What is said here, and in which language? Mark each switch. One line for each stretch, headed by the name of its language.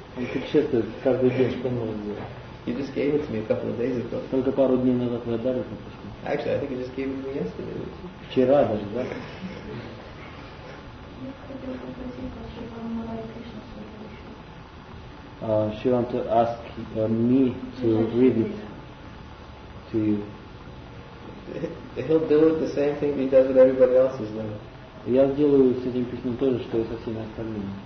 Russian: Он путешествует каждый день, что нужно сделать.
English: You just gave it to me a couple of days ago.
Russian: Только пару дней назад вы отдали это.
English: Actually, I think you just gave it to me yesterday.
Russian: Вчера даже, да?
English: She wants to ask me to read it to you. He'll do it the same thing he does with everybody else's letter.
Russian: Я сделаю с этим письмом то же, что и со всеми остальными.